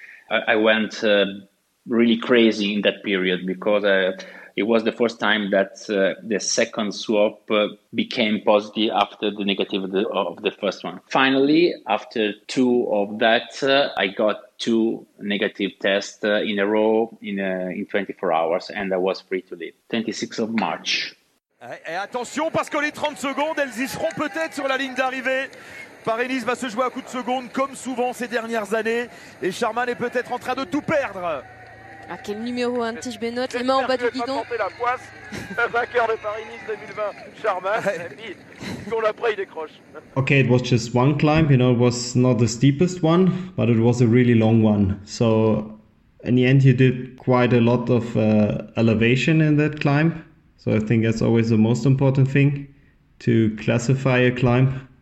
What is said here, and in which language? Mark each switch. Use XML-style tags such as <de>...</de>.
<en>I went really crazy in that period, because it was the first time that the second swap became positive after the negative of the first one. Finally, after 2 of that, I got 2 negative tests in a row in 24 hours, and I was free to leave. 26th of March.</en> <fr>Et attention, parce que les 30 secondes, elles y seront peut-être sur la ligne d'arrivée. Paris-Nice va se jouer à coups de seconde, comme souvent ces dernières années. Et Charman est peut-être en train de tout perdre. Ah, quel numéro, hein, Tige Benoît, les mains en bas du guidon. La poisse, vainqueur de Paris-Nice 2020, Charman, et puis, après, il décroche.</fr> <en>Okay, it was just one climb, you know, it was not the steepest one, but it was a really long one. So, in the end, you did quite a lot of elevation in that climb. So I think that's always the most important thing, to classify a climb.</en>